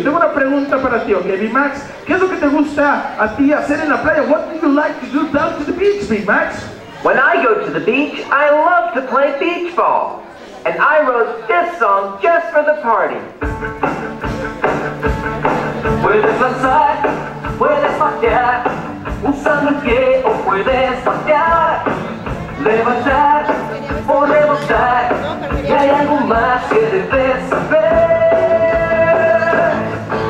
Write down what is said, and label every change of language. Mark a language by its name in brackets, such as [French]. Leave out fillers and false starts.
[Spanish] Tengo una pregunta para ti, okay, B-Max? ¿Qué es lo que te gusta a ti hacer en la playa? [English] What do you like to do down to the beach, B-Max? When I go to the beach, I love to play beach ball. And I wrote this song just for the party. [Spanish] Puedes lanzar, puedes patear, usando el pie o puedes patear, levantar o rebotar, y hay algo más que debes saber.